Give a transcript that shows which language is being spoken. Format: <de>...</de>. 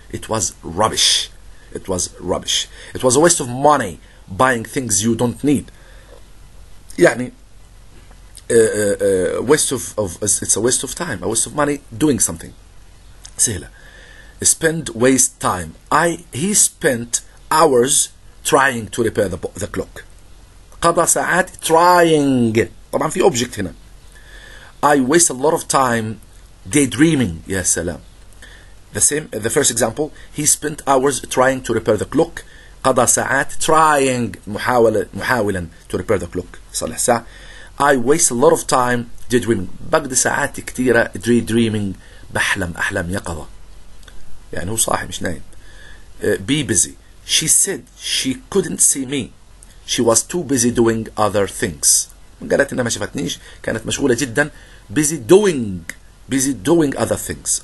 <en>It was rubbish. It was rubbish. It was a waste of money buying things you don't need. يعني waste of it's a waste of time, a waste of money doing something. سهلة. Spend waste time. He spent hours trying to repair the clock.</en> <ar>قضى ساعات trying. طبعا في object هنا.</ar> <en>I waste a lot of time daydreaming.</en> <ar>يا سلام.</ar> <en>The same, the first example. He spent hours trying to repair the clock.</en> <ar>قضى ساعات</ar> <en>trying</en> <ar>محاولا</ar> <en>to repair the clock.</en> <ar>صلح ساعة.</ar> <en>I waste a lot of time daydreaming.</en> <ar>بقضي ساعات كثيرة daydreaming بحلم أحلام يقظة. يعني هو صاحي مش نايم.</ar> <en>Be busy. She said she couldn't see me. She was too busy doing other things.</en> <ar>قالت إنها ما شفتنيش. كانت مشغولة جدا.</ar> <en>Busy doing other things.</en>